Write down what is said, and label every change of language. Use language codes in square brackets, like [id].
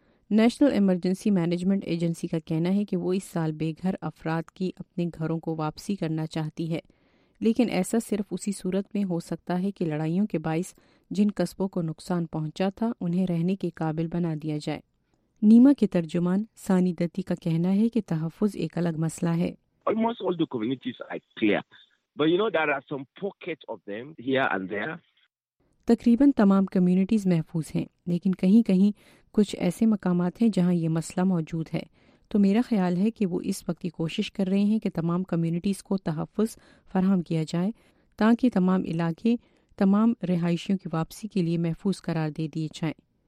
[ur] National emergency management agency کا کہنا ہے کہ وہ اس سال بے گھر افراد کی اپنے گھروں کو واپسی کرنا چاہتی ہے، لیکن ایسا صرف اسی صورت میں ہو سکتا ہے کہ لڑائیوں کے باعث جن قصبوں کو نقصان پہنچا تھا انہیں رہنے کے قابل بنا دیا جائے۔ نیما کے ترجمان سانی دتی کا کہنا ہے کہ تحفظ ایک الگ مسئلہ ہے۔ [en] Almost all the communities are clear. But you know, there are some pockets of them here and there. [ur] تقریباً تمام کمیونٹیز محفوظ ہیں، لیکن کہیں کہیں کچھ ایسے مقامات ہیں جہاں یہ مسئلہ موجود ہے۔ تو میرا خیال ہے کہ وہ اس وقت کی کوشش کر رہے ہیں کہ تمام کمیونٹیز کو تحفظ فراہم کیا جائے تاکہ تمام علاقے تمام رہائشیوں کی واپسی کے لیے محفوظ قرار دے دیے جائیں۔